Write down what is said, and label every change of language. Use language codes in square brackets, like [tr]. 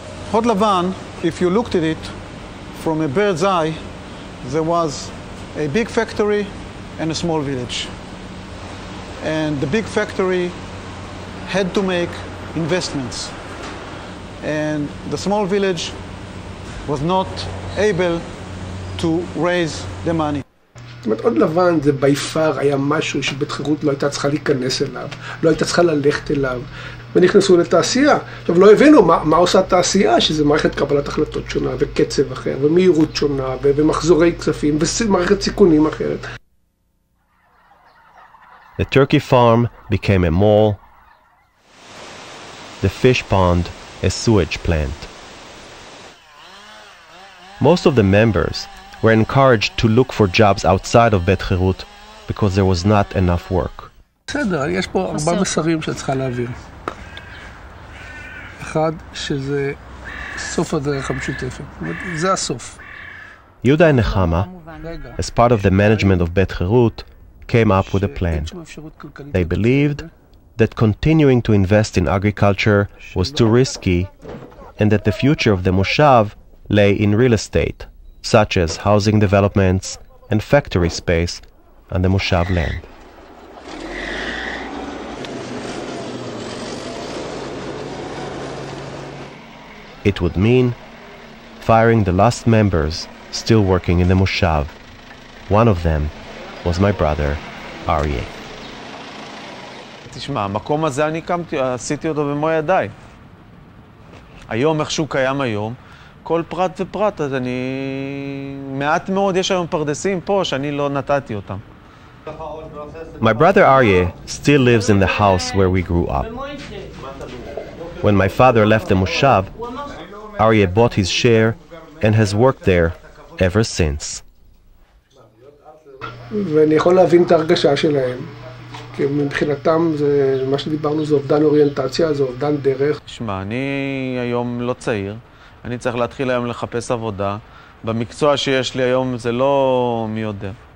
[en] הוד לבן, if you looked at it from a bird's eye, there was a big factory and a small village. And the big factory had to make investments. And the small village was not able to raise the money. [he] זאת אומרת, עוד לבן זה בי פאר היה משהו שבית חירות לא הייתה צריכה להיכנס אליו, לא הייתה צריכה ללכת אליו, ונכנסו לתעשייה. עכשיו, לא הבינו מה עושה התעשייה, שזה מערכת קבלת החלטות שונה, וקצב אחר, ומהירות שונה, ומחזורי כספים, ומערכת סיכונים אחרת. [en] The turkey farm became a mall, the fish pond, a sewage plant. Most of the members were encouraged to look for jobs outside of Bet Chirut because there was not enough work. [he] בסדר, יש פה ארבע מסרים שאת צריכה להעביר. אחד, שזה סוף הדרך המשותפת. זה הסוף. [en] יהודה נחמה, as part of the management of Bet Chirut, came up with a plan. They believed that continuing to invest in agriculture was too risky and that the future of the Moshav lay in real estate, such as housing developments and factory space on the Moshav land. it would mean firing the last members still working in the moshav. One of them was my brother, Aryeh. [he] תשמע, המקום הזה אני קמתי, עשיתי אותו במו ידיי. היום, איך שהוא קיים היום, כל פרט ופרט, אז אני... מעט מאוד יש היום פרדסים פה שאני לא נתתי אותם. [en] My brother Aryeh still lives in the house where we grew up. When my father left the moshav, Aryeh bought his share and has worked there ever since. [he] ואני יכול להבין את הרגשה שלהם, כי מבחינתם זה, מה שדיברנו זה אובדן אוריינטציה, זה אובדן דרך. שמע, אני היום לא צעיר, אני צריך להתחיל היום לחפש עבודה. במקצוע שיש לי היום זה לא מי יודע.